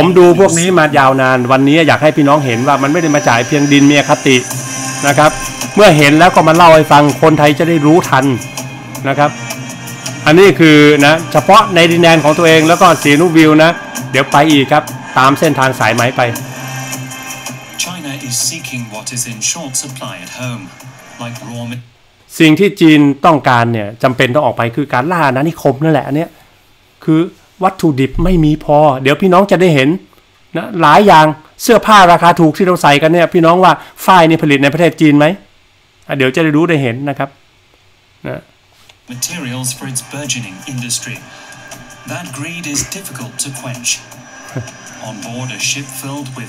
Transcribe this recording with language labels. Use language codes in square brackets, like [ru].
[th] มดูพวกนี้มายาวนานวันนี้อยากให้พี่น้องเห็นว่ามันไม่ได้มาจ่ายเพียงดินเมียคตินะครับเมื่อเห็นแล้วก็มาเล่าให้ฟังคนไทยจะได้รู้ทันนะครับอันนี้คือนะเฉพาะในดินแดนของตัวเองแล้วก็ศรีนุวิวนะเดี๋ยวไปอีกครับตามเส้นทางสายไหมไป [en] China is seeking what is in short supply at home like raw [th] สิ่งที่จีนต้องการเนี่ยจำเป็นต้องออกไปคือการล่าอาณานิคมนั่นแหละอันเนี้ยคือวัตถุดิบไม่มีพอเดี๋ยวพี่น้องจะได้เห็นนะหลายอย่างเสื้อผ้าราคาถูกที่เราใส่กันเนี่ยพี่น้องว่าฝ้ายนี่ผลิตในประเทศจีนไหมเดี๋ยวจะได้รู้ได้เห็นนะครับนะ [en] materials for its burgeoning industry that greed is difficult to quenchOn board a ship filled with